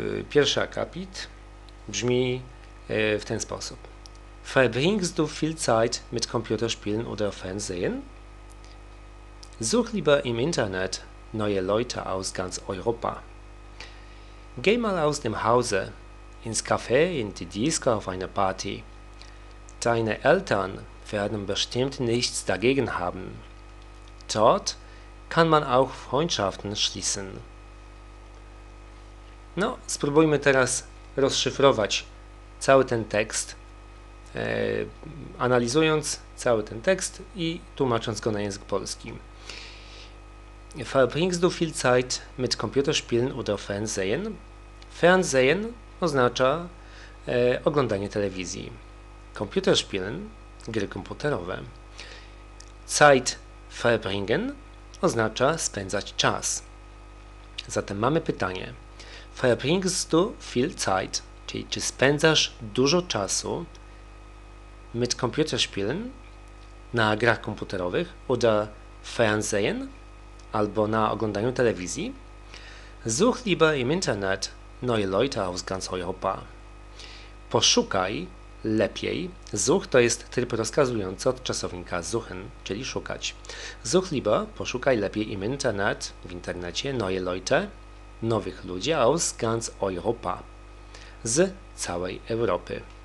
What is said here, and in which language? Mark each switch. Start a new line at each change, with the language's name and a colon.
Polish: Pierwszy akapit brzmi w ten sposób.
German: Verbringst du viel Zeit mit Computerspielen oder Fernsehen? Such lieber im Internet neue Leute aus ganz Europa. Geh mal aus dem Hause, ins Café, in die Disco, auf eine Party. Deine Eltern werden bestimmt nichts dagegen haben. Dort kann man auch Freundschaften schließen.
Polish: No, spróbujmy teraz rozszyfrować cały ten tekst, analizując cały ten tekst i tłumacząc go na język polski.
German: Verbringst du viel Zeit mit Computerspielen oder Fernsehen?
Polish: Fernsehen oznacza oglądanie telewizji. Computerspielen, gry komputerowe. Zeit verbringen oznacza spędzać czas. Zatem mamy pytanie.
German: Verbringst du viel Zeit,
Polish: czyli czy spędzasz dużo czasu
German: mit Computerspielen,
Polish: na grach komputerowych,
German: oder Fernsehen,
Polish: albo na oglądaniu telewizji?
German: Such lieber im Internet neue Leute aus ganz Europa.
Polish: Poszukaj lepiej. Such to jest tryb rozkazujący od czasownika suchen, czyli szukać.
German: Such lieber,
Polish: poszukaj lepiej
German: im Internet,
Polish: w internecie,
German: neue Leute,
Polish: nowych ludzi
German: aus ganz Europa,
Polish: z całej Europy.